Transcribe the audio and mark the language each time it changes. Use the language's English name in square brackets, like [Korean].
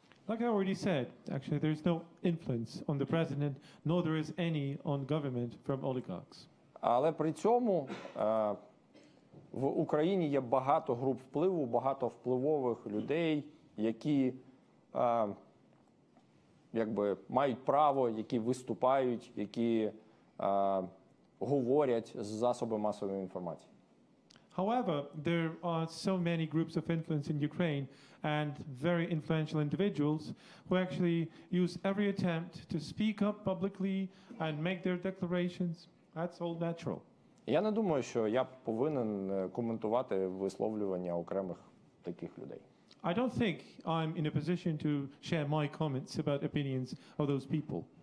[English] Like I already said, actually, there is no influence on the president, nor there is any on government from oligarchs. [Ukrainian] Але при цьому в Україні є багато груп впливу, багато впливових людей, які якби мають право, які виступають, які говорять з засоби масової інформації. [English] However, there are so many groups of influence in Ukraine and very influential individuals who actually use every attempt to speak up publicly and make their declarations. That's all natural. [Ukrainian] Я не думаю, що я повинен коментувати висловлювання окремих таких людей. [English] I don't think I'm in a position to share my comments about opinions of those people.